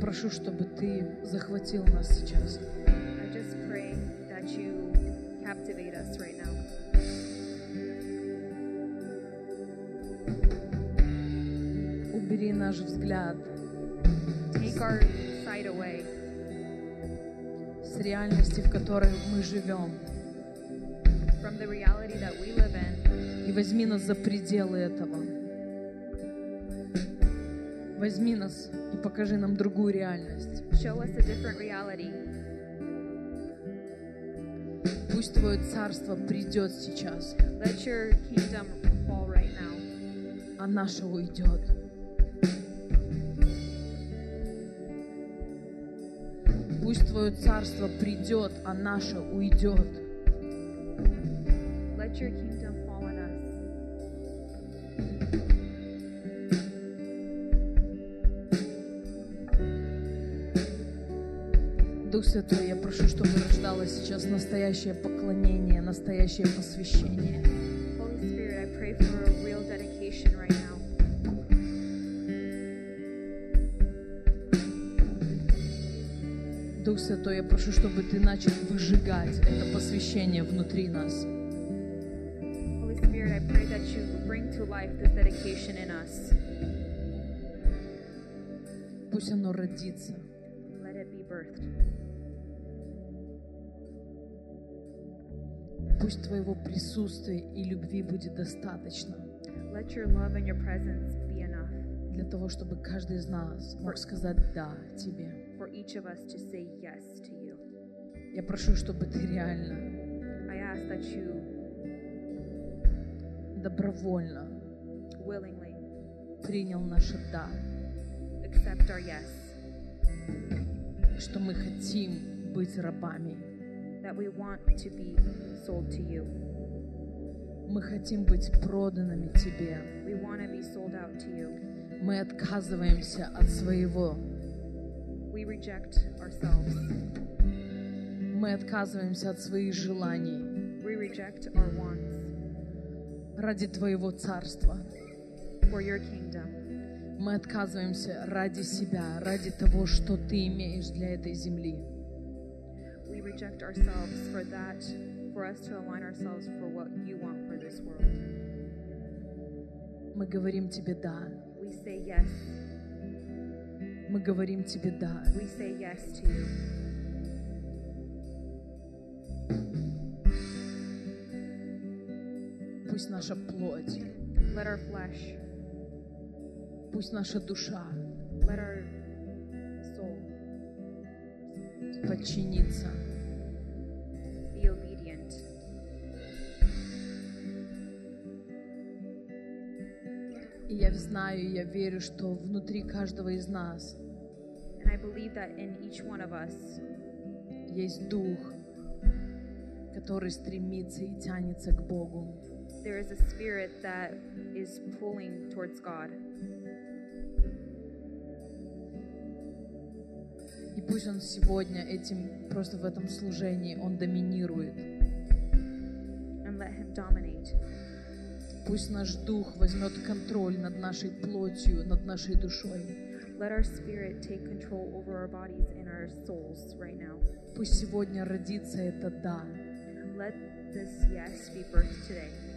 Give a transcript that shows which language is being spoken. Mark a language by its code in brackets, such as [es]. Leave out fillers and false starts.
[ru] Чтобы ты захватил нас сейчас. [en] I just pray that you captivate us right now. [ru] Убери наш взгляд. [en] Take our sight away. [ru] С реальности, в которой мы живем. [en] From the reality that we live in. [ru] И возьми нас за пределы этого. Возьми нас и покажи нам другую реальность. [en] Show us a different reality. [ru] Пусть твое царство придет сейчас. [en] Let your kingdom fall right now. [ru] А наше уйдет. Пусть твое царство придет, а наше уйдет. [en] Let your kingdom fall. [ru] Дух Святой, я прошу, чтобы рождалось сейчас настоящее поклонение, настоящее посвящение. [en] Holy Spirit, I pray for a real dedication right now. [ru] Дух Святой, я прошу, чтобы ты начал выжигать это посвящение внутри нас. [en] Holy Spirit, I pray that you bring to life this dedication in us. [ru] Пусть оно родится. [en] Let it be birthed. [ru] Пусть твоего присутствия и любви будет достаточно. [en] Let your love and your presence be enough. [ru] Для того, чтобы каждый из нас мог сказать «да» тебе. [en] For each of us to say yes to you. [ru] Я прошу, чтобы ты реально, [en] I ask that you [ru] добровольно, [en] willingly [ru] принял наше «да». [en] Accept our yes. [ru] Что мы хотим быть рабами. [en] That we want to be sold to you. [ru] Мы хотим быть проданными тебе. [en] We want to be sold out to you. [ru] Мы отказываемся от своего. [en] We reject ourselves. [ru] Мы отказываемся от своих желаний. [en] We reject our wants. [ru] ради Твоего царства. [en] For your kingdom. [ru] Мы отказываемся ради себя, ради того, что Ты имеешь для этой земли. [en] We reject ourselves for that, for us to align ourselves for what You want for this world. [ru] Мы говорим Тебе да. [en] We say yes. [ru] Мы говорим Тебе да. [en] We say yes to You. [ru] Пусть наша плоть. [en] Let our flesh. [ru] Пусть наша душа. [en] Let our soul. [ru] Подчинится. [en] Be obedient. [ru] И я знаю, я верю, что внутри каждого из нас. [en] And I believe that in each one of us. [ru] Есть дух, который стремится и тянется к Богу. [en] There is a spirit that is pulling towards God. [ru] И пусть он сегодня этим, просто в этом служении, он доминирует. [en] And let him dominate. [ru] Пусть наш дух возьмет контроль над нашей плотью, над нашей душой. [en] Let our spirit take control over our bodies and our souls right now. [ru] Пусть сегодня родится это «да». [en] Let this yes be birthed today.